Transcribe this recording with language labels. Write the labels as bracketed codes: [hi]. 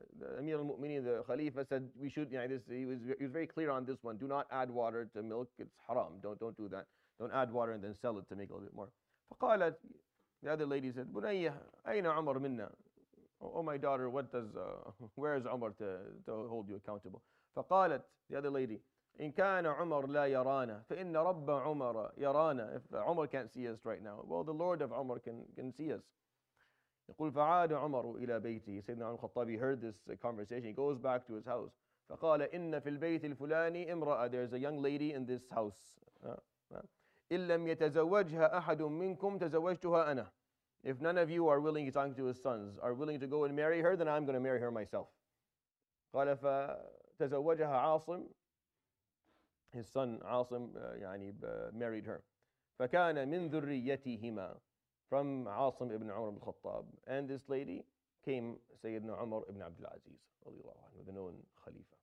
[en] The Amir al-Mu'mineen, the Khalifa, said, we should, he was very clear on this one. Do not add water to milk. It's haram. Don't do that. Don't add water and then sell it to make a little bit more. [ar] فَقَالَتْ. [en] The other lady said, [ar] بُنَيَّ أَيْنَ عُمَرْ مِنَّا. [en] Oh my daughter, where is Umar to hold you accountable? [ar] فقالت, [en] the other lady, [ar] إن كان عمر لا يرانا فإن رب عمر يرانا. [en] If Umar can't see us right now, well, the Lord of Umar can see us. [ar] يقول فعاد عمر إلى بيتي. [en] سيدنا عمر الخطاب, he heard this conversation, he goes back to his house. [ar] فقال إن في البيت الفلاني امرأة, [en] there is a young lady in this house. [ar] إن لم يتزوجها أحد منكم تزوجتها أنا. [en] If none of you are willing, he's talking to his sons, are willing to go and marry her, then I'm going to marry her myself. [ar] قَالَ فَتَزَوَّجَهَا عَاصِمْ. [en] His son عَاصِمْ married her. [ar] فَكَانَ مِنْ ذُرِّيَّتِهِمَا. [en] From عَاصِمْ ibn Umar ibn Khattab. And this lady came, Sayyidina Umar ibn Abdul Aziz, the known Khalifa.